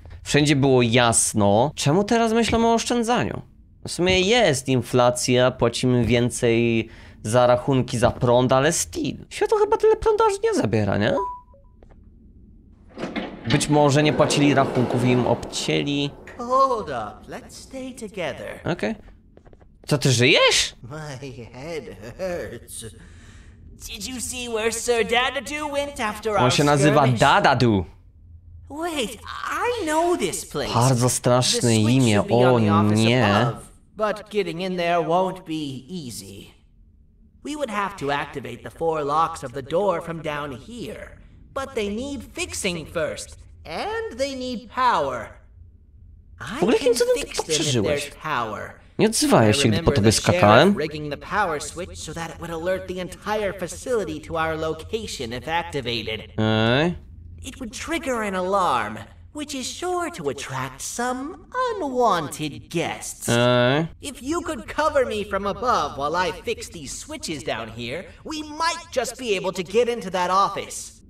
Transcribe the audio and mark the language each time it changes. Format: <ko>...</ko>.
<pl>Wszędzie było jasno. Czemu teraz myślą o oszczędzaniu? W sumie jest inflacja, płacimy więcej za rachunki za prąd, ale still. Światło chyba tyle prądu aż nie zabiera, nie? Być może nie płacili rachunków i im obcięli.</pl> <en>Hold up, let's stay together.</en> <pl>Okej. Co, ty żyjesz?</pl> <en>My head hurts. Did you see where Sir Dadadu went after our</en> <pl>On się nazywa Dadadu.</pl> <en>Wait, I know this place.</en> <pl>Bardzo straszne imię, o nie.</pl> <en>But getting in there won't be easy. We would have to activate the four locks of the door from down here. But they need fixing first, and they need power.</en> <pl>W ogóle kim co ty przeżyłeś? Nie odzywałeś się, gdy po tobie skakałem?</pl> <en>Rigging the power switch so that it would alert the entire facility to our location if activated. It would trigger an alarm, which is sure to attract some unwanted guests. If you could cover me from above while I fix these switches down here, we might just be able to get into that office.</en>